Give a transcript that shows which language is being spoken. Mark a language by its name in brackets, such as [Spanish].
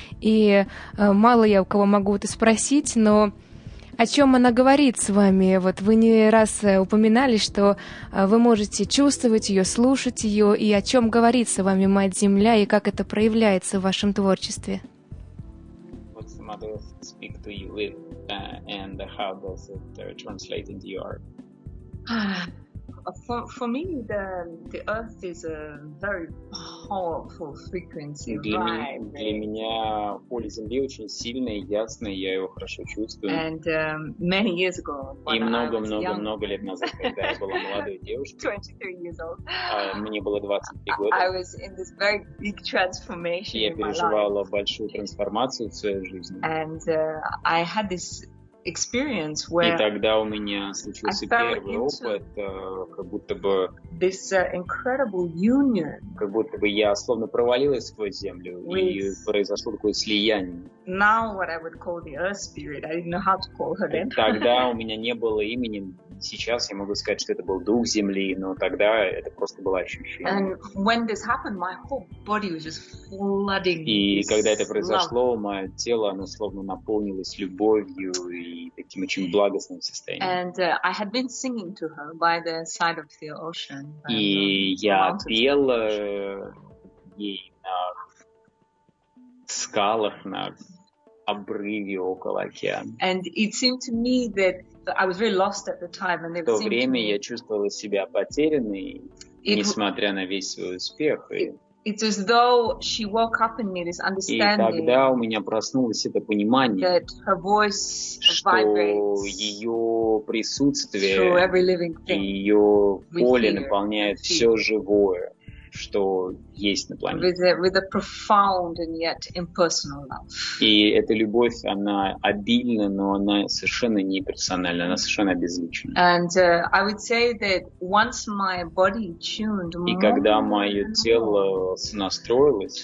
[Russian] И мало я у кого могу это спросить, но о чем она говорит с вами? Вот вы не раз упоминали, что вы можете чувствовать ее, слушать ее, и о чем говорит с вами мать Земля, и как это проявляется в вашем творчестве? [English] What's the mother speak to you with, and how does it translate into your? For me, the Earth is a very powerful frequency. [Russian] Для меня поле Земли очень сильное, ясное, я его хорошо чувствую. [English] And many years ago, [Russian] и много лет назад, когда я была молодой девушкой, [English] 23 years old, [Russian] мне было 23 года. [English] I was in this very big transformation. [Russian] Я переживала большую трансформацию в своей жизни. [English] And I had this experience where [Russian] и тогда у меня случился первый опыт, как будто бы [English] this incredible union, [Russian] как будто бы я словно провалилась сквозь землю, и произошло такое слияние. [English] Now what I would call the Earth Spirit, I didn't know how to call her then. [Russian] Тогда у меня не было имени. Сейчас я могу сказать, что это был дух Земли, но тогда это просто было ощущение. [English] And when this happened, my whole body was just flooding. [Russian] И когда это произошло, мое тело, оно словно наполнилось любовью и таким очень благостным состоянием. [English] And I had been singing to her by the side of the ocean. [Russian] И я пела ей на скалах, на обрыве около океана. [English] And it seemed to me that I was very lost at the time, and [Russian] в то время я чувствовала себя потерянной, несмотря на весь свой успех. [English] It's as though she woke up in me this understanding. [Russian] И тогда у меня проснулось это понимание, [English] that her voice vibrates, [Russian] ее присутствие, [English] through every living thing, [Russian] ее поле наполняет все живое, что есть на планете. [English] With a profound and yet impersonal love. [Russian] И эта любовь, она обильна, но она совершенно не персональна, она совершенно обезличена. [English] And I would say that once my body tuned more, [Russian] и когда мое тело настроилось